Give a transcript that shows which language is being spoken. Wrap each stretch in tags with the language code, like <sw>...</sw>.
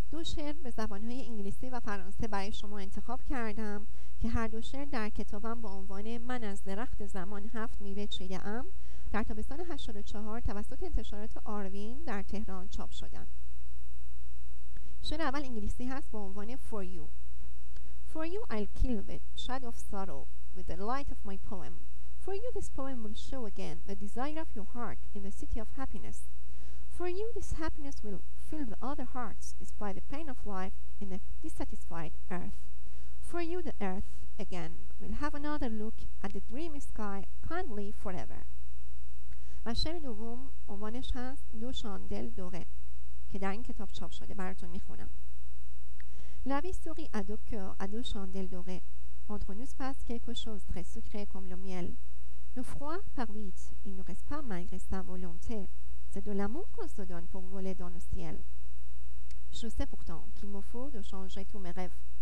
<fa>شعر به زبانهای انگلیسی و فرانسه برای شما انتخاب کردم که هر دو شعر در کتابم با عنوان من از درخت زمان هفت میوه چیده ام در تابستان 84 توسط انتشارات آروین در تهران چاپ شدند. شعر اول انگلیسی هست با عنوان For You.</fa> <en>For you I'll kill the shadow of sorrow with the light of my poem. For you this poem will show again the desire of your heart in the city of happiness. For you this happiness will fill the other hearts despite the pain of life in the dissatisfied earth. For you the earth again will have another look at the dreamy sky kindly forever.</en> <fa>و شعر دوم عنوانش هست دو شاندل دوره که در این کتاب چاپ شده براتون میخونم.</fa> <fr>La vie sourit à deux cœurs, à deux chandelles dorées. Entre nous passe quelque chose très sucré comme le miel. Le froid part vite, il ne reste pas malgré sa volonté. C'est de l'amour qu'on se donne pour voler dans le ciel. Je sais pourtant qu'il me faut de changer tous mes rêves.</fr>